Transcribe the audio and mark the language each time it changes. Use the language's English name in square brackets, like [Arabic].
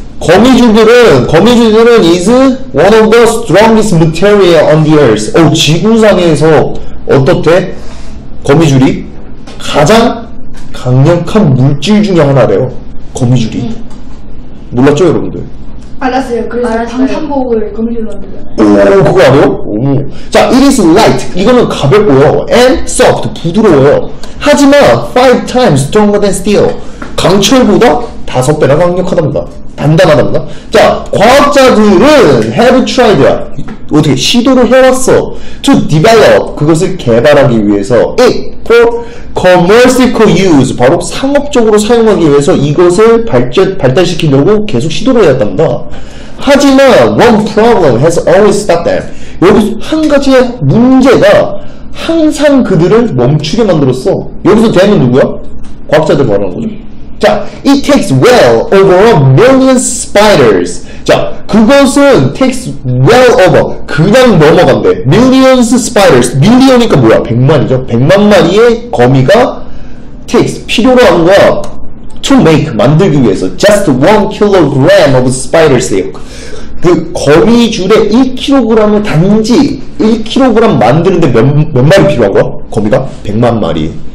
[Korean] 거미줄들은 [English] is one of the strongest material on the earth. [Korean] 오, 지구상에서 어떻대? 거미줄이 가장 강력한 물질 중에 하나래요. 거미줄이. 몰랐죠, 여러분들? 알았어요. 그래서 방탄복을 거미줄로 만들어요. 오, 그거 아니에요? 오. 자, [English] it is light. [Korean] 이거는 가볍고요. [English] and soft. [Korean] 부드러워요. [English] 하지만 five times stronger than steel. [Korean] 강철보다 다섯 배나 강력하답니다. 단단하답니다. 자, 과학자들은 [English] have tried. [Korean] 어떻게 시도를 해왔어. [English] to develop. [Korean] 그것을 개발하기 위해서 [English] it for commercial use. [Korean] 바로 상업적으로 사용하기 위해서 이것을 발달시키려고 계속 시도를 해왔답니다. [English] 하지만 one problem has always stopped them. [Korean] 여기서 한 가지의 문제가 항상 그들을 멈추게 만들었어. 여기서 them은 누구야? 과학자들 말하는 거죠. [English] 자, it takes well over a million spiders. [Korean] 자, 그것은 [English] takes well over, [Korean] 그냥 넘어간대. [English] millions spiders, [Korean] million이니까 뭐야? 100만이죠? 100만 마리의 거미가 takes, 필요로 한 거야. [English] to make, [Korean] 만들기 위해서. [English] just 1kg of spider silk. [Korean] 그 거미줄에 1kg을 단지 1kg 만드는데 몇 마리 필요한 거야? 거미가? 100만 마리.